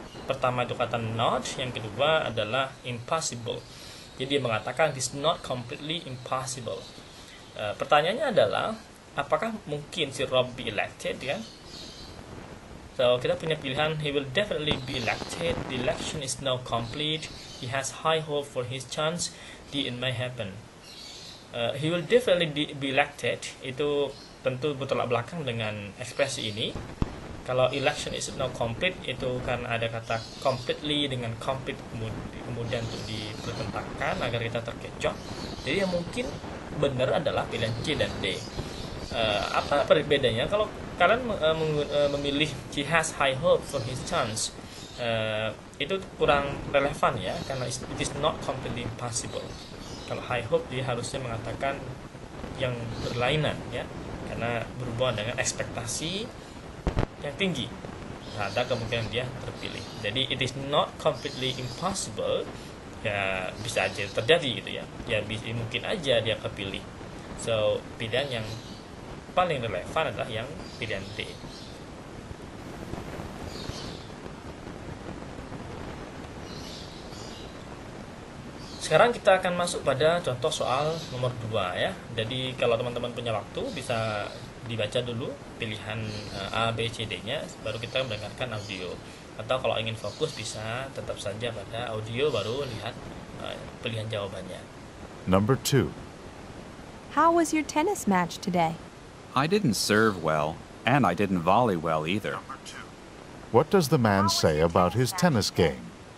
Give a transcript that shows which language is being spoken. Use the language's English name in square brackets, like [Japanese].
[Indonesian] Pertama itu kata not, yang kedua adalah impossible. Jadi dia mengatakan [English] it's not completely impossible. [Indonesian] Pertanyaannya adalah apakah mungkin si Rob [English] be elected [Indonesian] ya? [English] So [Indonesian] kita punya pilihan [English] he will definitely be elected. The election is now complete. He has high hope for his chance. It may happen. He will definitely be elected. [Indonesian] Itu tentu bertolak belakang dengan ekspresi ini. Kalau [English] election is now complete, [Indonesian] itu kan ada kata completely dengan complete kemudian untuk dipertentangkan agar kita terkecoh. Jadi yang mungkin benar adalah pilihan C dan D. Apa perbedaannya? Kalau kalian memilih [English] he has high hope for his chance, [Indonesian] itu kurang relevan ya, karena [English] it is not completely impossible. [Indonesian] Kalau high hope, dia harusnya mengatakan yang berlainan ya, karena berhubungan dengan ekspektasi yang tinggi, nah, ada kemungkinan dia terpilih. Jadi [English] it is not completely impossible, [Indonesian] ya bisa aja terjadi gitu ya. Ya mungkin aja dia kepilih. So pilihan yang paling relevan adalah yang pilihan D. Sekarang kita akan masuk pada contoh soal nomor 2 ya. Jadi kalau teman-teman punya waktu bisa dibaca dulu pilihan A, B, C, D-nya, baru kita mendengarkan audio. Atau kalau ingin fokus bisa tetap saja pada audio baru lihat pilihan jawabannya. [English] Number 2. How was your tennis match today? I didn't serve well and I didn't volley well either. What does the man say about his tennis game?